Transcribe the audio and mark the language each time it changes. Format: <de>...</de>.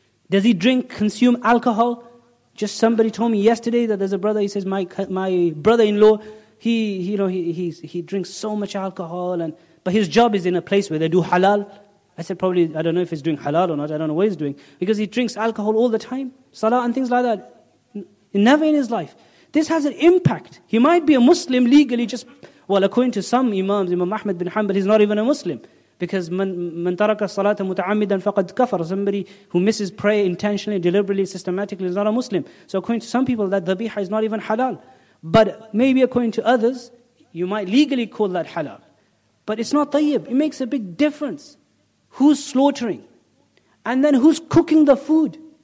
<en>Does he drink, consume alcohol? Just somebody told me yesterday that there's a brother, he says, my brother-in-law, he drinks so much alcohol, but his job is in a place where they do halal. I said, probably, I don't know if he's doing halal or not. I don't know what he's doing. Because he drinks alcohol all the time. Salah and things like that. Never in his life. This has an impact. He might be a Muslim legally according to some imams, Imam Ahmad bin Hanbal, he's not even a Muslim. Because</en> <ar>من ترك الصلاة متعمدا فقد كفر.</ar> <en>Somebody who misses prayer intentionally, deliberately, systematically, is not a Muslim. So according to some people, that dhabiha is not even halal. But maybe according to others, you might legally call that halal. But it's not tayyib. It makes a big difference. Who's slaughtering? And then who's cooking the food?</en>